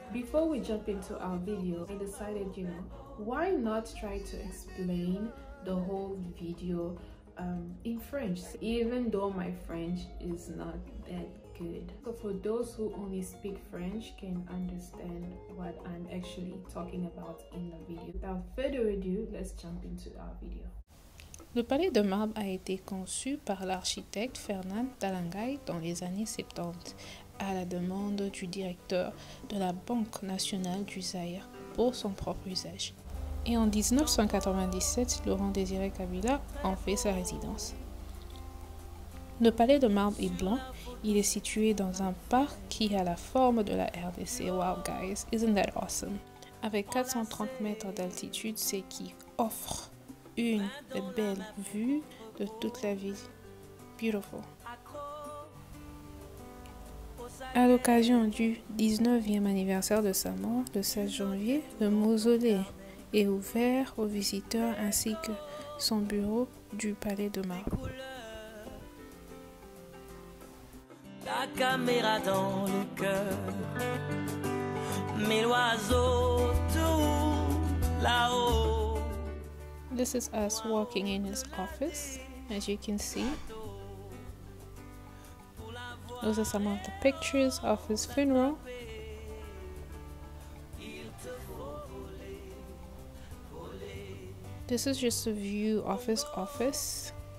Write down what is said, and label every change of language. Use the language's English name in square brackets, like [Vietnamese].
[English] Before we jump into our video, I decided, you know, why not try to explain the whole video in French, even though my French is not that good. So for those who only speak French can understand what I'm actually talking about in the video. Without further ado, let's jump into our video. [French] Le Palais de Marbre a été conçu par l'architecte Fernand Talangay dans les années 70 à la demande du directeur de la Banque nationale du Zaïre pour son propre usage. Et en 1997, Laurent-Désiré Kabila en fait sa résidence. Le palais de marbre est blanc. Il est situé dans un parc qui a la forme de la RDC. [English] Wow, guys, isn't that awesome? [French] Avec 430 mètres d'altitude, c'est qui offre une belle vue de toute la ville. [English] Beautiful. [French] À l'occasion du 19e anniversaire de sa mort, le 16 janvier, le mausolée est ouvert aux visiteurs ainsi que son bureau du palais de marbre. La caméra dans le cœur, mais l'oiseau tout là-haut. [English] This is us walking in his office, as you can see. Those are some of the pictures of his funeral. This is just a view of his office.